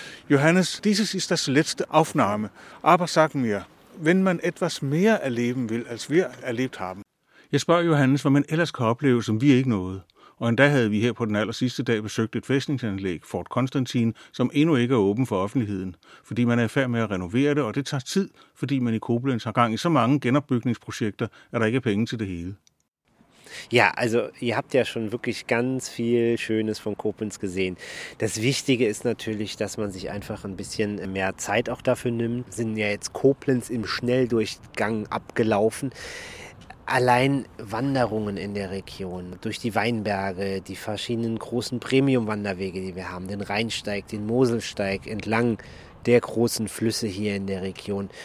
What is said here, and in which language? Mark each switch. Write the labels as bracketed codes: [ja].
[de] Johannes, dieses ist das letzte Aufnahme. Aber sag mir, wenn man etwas mehr erleben will, als wir erlebt haben. [da] Jeg spørger Johannes, hvad man ellers kan opleve, som vi ikke nåede. Og endda havde vi her på den allersidste dag besøgt et fæstningsanlæg, Fort Konstantin, som endnu ikke er åben for offentligheden, fordi man er i færd med at renovere det, og det tager tid, fordi man i Koblenz har gang i så mange genopbygningsprojekter, at der ikke er penge til det hele. [de] Ja, also ihr habt ja schon wirklich ganz viel Schönes von Koblenz gesehen. Das Wichtige ist natürlich, dass man sich einfach ein bisschen mehr Zeit auch dafür nimmt. Wir sind ja jetzt Koblenz im Schnelldurchgang abgelaufen. Allein Wanderungen in der Region, durch die Weinberge, die verschiedenen großen Premium-Wanderwege, die wir haben, den Rheinsteig, den Moselsteig entlang der großen Flüsse hier in der Region.